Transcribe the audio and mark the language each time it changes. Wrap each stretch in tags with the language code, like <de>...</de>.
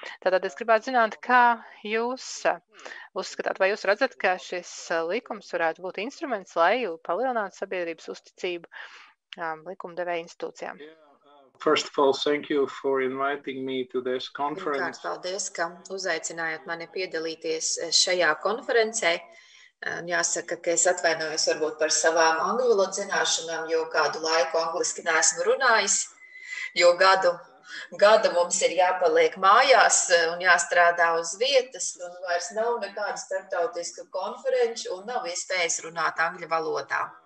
<lv>Tātad es gribētu zināt, kā jūs uzskatāt, vai jūs redzat, ka šis likums varētu būt instruments, lai palielinātu sabiedrības uzticību likumdevēja institūcijām.</lv> <en>First of all, thank you for inviting me to this conference.</en> <lv>Pirmkārt, paldies, ka uzaicinājāt mani piedalīties šajā konferencē. Jāsaka, ka es atvainojos varbūt par savām angļu valodas zināšanām, jo kādu laiku angliski neesmu runājis, jo gadu mums ir jāpaliek mājās un jāstrādā uz vietas, un vairs nav nekāda starptautiska konferenču un nav iespējas runāt angļu valodā.</lv>